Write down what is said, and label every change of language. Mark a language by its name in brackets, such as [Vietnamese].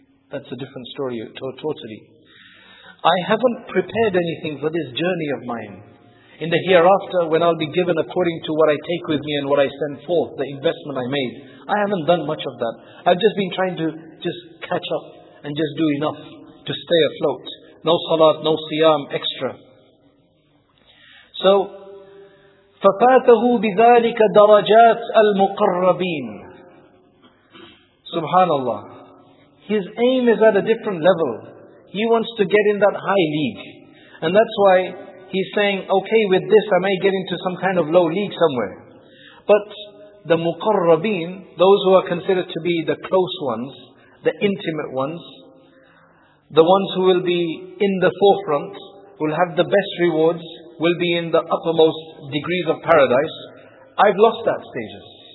[English] That's a different story, totally. I haven't prepared anything for this journey of mine. In the hereafter, when I'll be given according to what I take with me and what I send forth, the investment I made, I haven't done much of that. I've just been trying to just catch up and just do enough to stay afloat. No salat, no siyam, extra. [Arabic] So, فَفَاتَهُ بِذَٰلِكَ دَرَجَاتِ الْمُقَرَّبِينَ Subhanallah. [English] His aim is at a different level. He wants to get in that high league. And that's why he's saying, okay, with this I may get into some kind of low league somewhere. But the muqarrabeen, those who are considered to be the close ones, the intimate ones, the ones who will be in the forefront, will have the best rewards, will be in the uppermost degrees of paradise, I've lost that status.